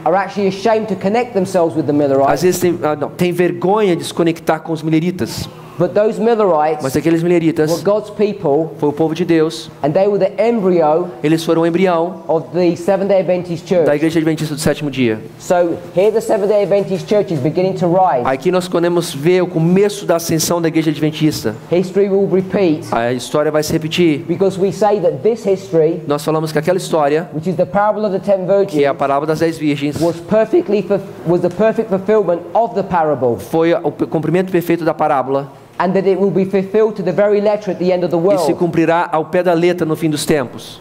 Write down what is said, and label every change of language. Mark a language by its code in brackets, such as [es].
[en] are actually ashamed to connect themselves with the Millerites. [pt] Às vezes tem vergonha de se conectar com os Milleritas. [en] But those Millerites, [pt] mas aqueles Milleritas, [en] were God's people, [pt] foi o povo de Deus, [en] and they were the embryo, [pt] eles foram o embrião, [en] of the Seventh-day Adventist Church, [pt] da Igreja Adventista do Sétimo Dia. [en] So here the Seventh-day Adventist Church is beginning to rise. [pt] Aqui nós podemos ver o começo da ascensão da Igreja Adventista. [en] History will repeat. [pt] A história vai se repetir. [en] Because we say that this history, [pt] nós falamos que aquela história, [en] which is the parable of the ten virgins, [pt] que é a parábola das 10 virgens, [en] was the perfect fulfillment of the parable. [pt] Foi o cumprimento perfeito da parábola. [en] And that it will be fulfilled to the very letter at the end of the world. [pt] E se cumprirá ao pé da letra no fim dos tempos.